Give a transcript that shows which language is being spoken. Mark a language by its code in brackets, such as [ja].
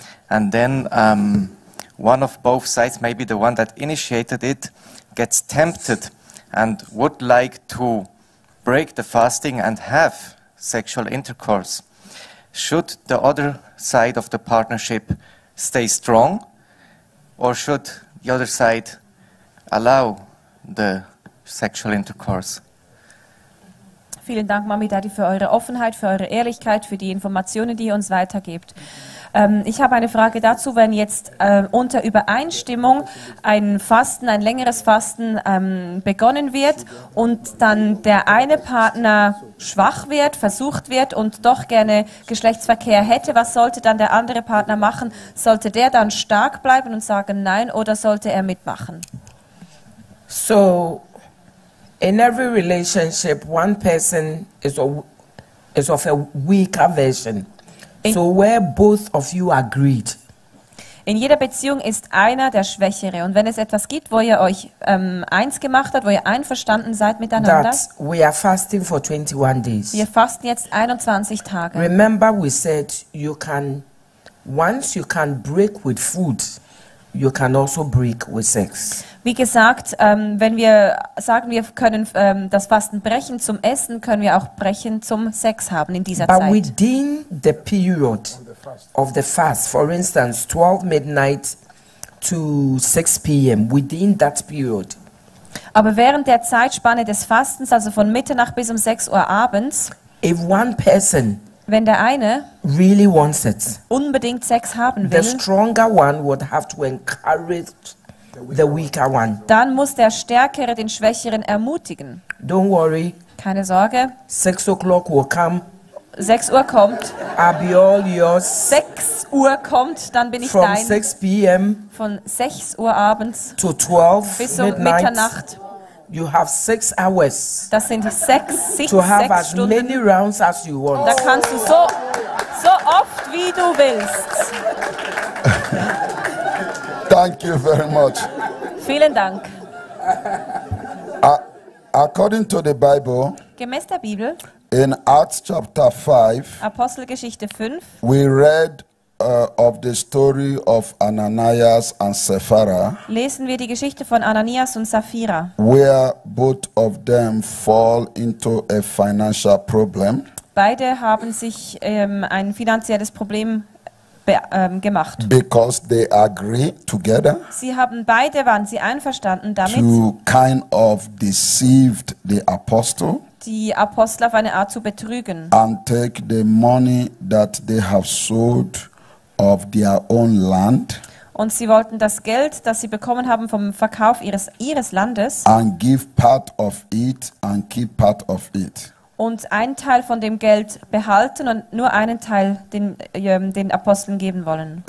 [en] And then one of both sides, maybe the one that initiated it, gets tempted and would like to break the fasting and have sexual intercourse. Should the other side of the partnership stay strong, or should the other side allow the sexual intercourse? [de] Vielen Dank, Mami Daddy, für eure Offenheit, für eure Ehrlichkeit, für die Informationen, die ihr uns weitergebt. Ich habe eine Frage dazu, wenn jetzt unter Übereinstimmung ein längeres Fasten begonnen wird und dann der eine Partner schwach wird, versucht wird und doch gerne Geschlechtsverkehr hätte, was sollte dann der andere Partner machen? Sollte der dann stark bleiben und sagen nein oder sollte er mitmachen? [en] So, in every relationship, one person is of a weaker version. So where both of you agreed. [de] In jeder Beziehung ist einer der Schwächere. Und wenn es etwas gibt, wo ihr euch eins gemacht habt, wo ihr einverstanden seid miteinander. [en] That we are fasting for 21 days. [de] Wir fasten jetzt 21 Tage. [en] Remember, we said you can, once you can break with food, you can also break with sex. [de] Wie gesagt, wenn wir sagen, wir können das Fasten brechen zum Essen, können wir auch brechen zum Sex haben in dieser [en] But [de] Zeit. [en] Within the period of the fast, for instance, 12 midnight to 6 p.m., within that period. [de] Aber während der Zeitspanne des Fastens, also von Mitternacht bis um 6 Uhr abends, [en] if one person [de] wenn der eine [en] really wants it, [de] unbedingt Sex haben [en] the [de] will, [en] stronger one would have to encourage the weaker one. [de] Dann muss der Stärkere den Schwächeren ermutigen. [en] Don't worry. [de] Keine Sorge. [en] 6 o'clock will come. [de] 6 Uhr kommt. [en] I'll be all yours. [de] 6 Uhr kommt, dann bin ich [en] From [de] dein. [en] 6 p.m. [de] Von 6 Uhr abends [en] to 12 [de] bis um Mitternacht. [en] You have 6 hours. [de] Das sind sechs [en] to have [de] sechs [en] as [de] Stunden. [en] Many rounds as you want. [de] Da kannst du so oft wie du willst. [en] Thank you very much. [de] Vielen Dank. [en] According to the Bible, [de] gemäß der Bibel, [en] in Acts chapter 5, [de] Apostelgeschichte 5, [en] we read of the story of Ananias and Sapphira. [de] Lesen wir die Geschichte von Ananias und Sapphira. [en] Where both of them fall into a financial problem. [de] Beide haben sich ein finanzielles Problem gemacht. [en] Because they agree together. [de] Sie haben beide waren sie einverstanden damit. [en] To kind of deceived the apostle. [de] Die Apostel auf eine Art zu betrügen. [en] And take the money that they have sold of their own land. [de] Und sie wollten das Geld, das sie bekommen haben vom Verkauf ihres Landes. [en] And give part of it and keep part of it. [de] Und einen Teil von dem Geld behalten und nur einen Teil den Aposteln geben wollen.